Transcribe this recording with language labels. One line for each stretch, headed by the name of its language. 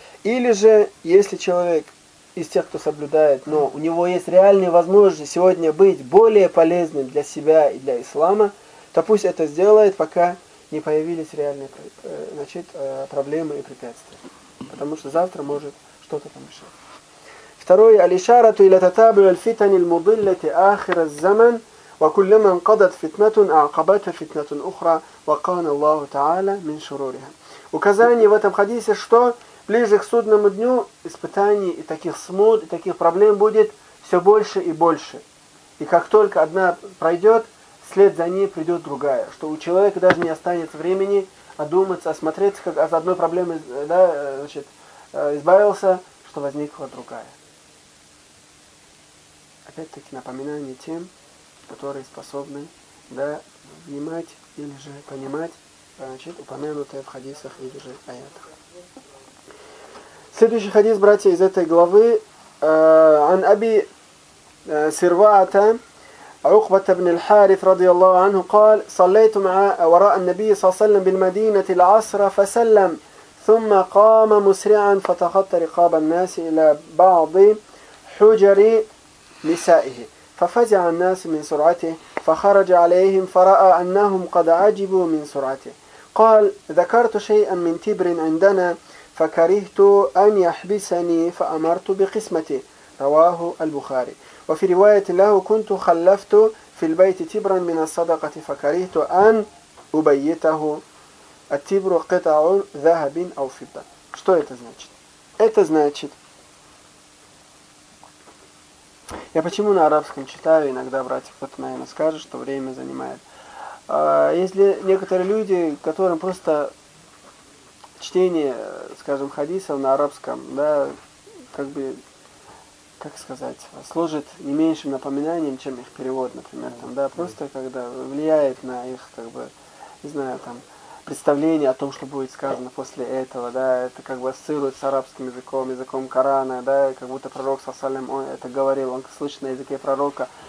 Russian: Или же, если человек из тех, кто соблюдает, но у него есть реальные возможности сегодня быть более полезным для себя и для ислама, то пусть это сделает, пока не появились реальные, значит, проблемы и препятствия. Потому что завтра может что-то помешать. Второе.
Arabic: Алишарату иля татабу альфитани лмудиллати ахира заман. وكلما انقضت فتنة عقبتها فتنة أخرى وقال الله تعالى من شرورها.
Russian: Указание в этом хадисе, что ближе к судному дню испытаний и таких смут, и таких проблем будет все больше и больше. И как только одна пройдет, вслед за ней придет другая. Что у человека даже не останется времени одуматься, осмотреться, как от одной проблемы, да, значит, избавился, что возникла другая. Опять-таки напоминание тем, которые способны, да, внимать или же понимать, значит, упомянутые в хадисах или же аятах. Следующий хадис, братья, из этой главы.
Arabic: «Ан аби сирваата, Укбата ибн аль-Харис, радиаллаху анху, قال, صليت مع وراء النبي صلى الله عليه وسلم بالمدينة العصر فسلم, ثم قام مسرعا فتخطى رقاب الناس إلى بعض حجر نسائه. ففزع الناس من سرعته فخرج عليهم فرأى أنهم قد عجبوا من سرعته قال ذكرت شيئا من تبر عندنا فكرهت أن يحبسني فأمرت بقسمته رواه البخاري وفي رواية له كنت خلفت في البيت تبرا من الصدقة فكرهت أن أبيته التبر قطع ذهب أو فضة.
Russian: Что это значит? Это значит, я почему на арабском читаю, иногда, братья, кто-то, наверное, скажет, что время занимает. Если некоторые люди, которым просто чтение, скажем, хадисов на арабском, да, как бы, как сказать, служит не меньшим напоминанием, чем их перевод, например, там, да, просто когда влияет на их, как бы, не знаю, там, представление о том, что будет сказано после этого, да, это как бы ассоциирует с арабским языком, языком Корана, да, как будто пророк, салям, он это говорил, он слышит на языке пророка.